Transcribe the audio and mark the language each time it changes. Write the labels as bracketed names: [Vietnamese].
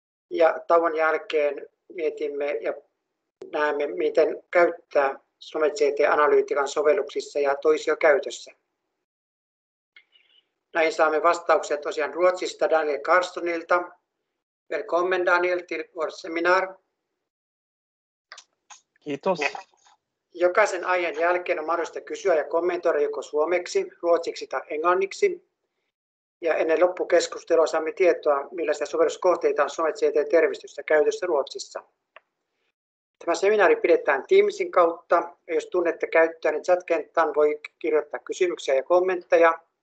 [Finnish] Ja tauon jälkeen mietimme ja näemme, miten käyttää SNOMED CT-analyytikan sovelluksissa ja toisiokäytössä. Näin saamme vastauksia tosiaan Ruotsista Daniel Karlssonilta. [Swedish] Välkommen Daniel till vår seminar. [Finnish] Kiitos. Jokaisen aiheen jälkeen on mahdollista kysyä ja kommentoida joko suomeksi, ruotsiksi tai englanniksi. Ja ennen loppukeskustelua saamme tietoa, millaisia sovelluskohteita on SNOMED CT-termistössä käytössä Ruotsissa. Tämä seminaari pidetään Teamsin kautta, ja jos tunnette käyttöä, niin chat-kenttään voi kirjoittaa kysymyksiä ja kommentteja.